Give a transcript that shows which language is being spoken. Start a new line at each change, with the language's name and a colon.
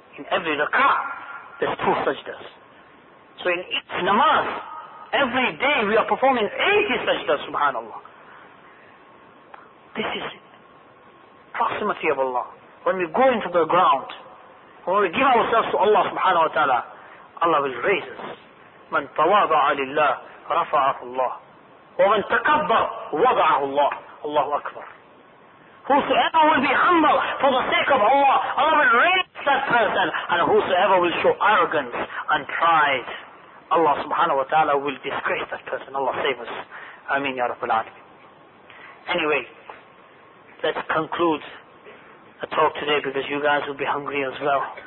English: In every rak'ah, there's two sajdas. So in each namaz, every day we are performing 80 sajdas, subhanAllah. This is proximity of Allah. When we go into the ground, when we give ourselves to Allah subhanahu wa ta'ala, Allah will raise us.
Arabic: من تواضع لله رفعه الله ومن تكبر وضعه الله. Allahu Akbar.
English: Whosoever will be humble for the sake of Allah, Allah will raise that person. And whosoever will show arrogance and pride, Allah subhanahu wa ta'ala will disgrace that person. Allah save us. Ameen ya Rabbul Alameen. Anyway, let's conclude the talk today because you guys will be hungry as well.